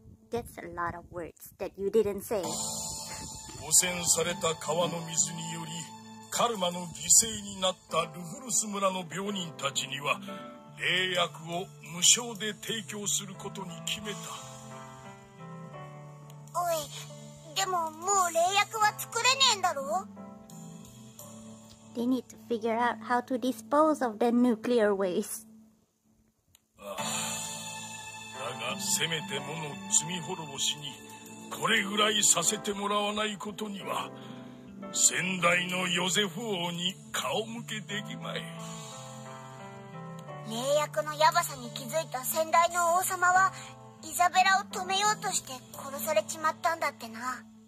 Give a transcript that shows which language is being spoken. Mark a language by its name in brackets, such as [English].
[English] That's a lot of words that you didn't say. [Japanese] 汚染された川の水により、カルマの犠牲になったルフルス村の病人たちには、霊薬を無償で提供することに決めた。おい、でももう霊薬は作れねえんだろ？ [English] They need to figure out how to dispose of the nuclear waste. [Japanese] だがせめてもの罪滅ぼしにこれぐらいさせてもらわないことには先代のヨゼフ王に顔向けできまい。霊薬のヤバさに気づいた先代の王様はイザベラを止めようとして殺されちまったんだってな。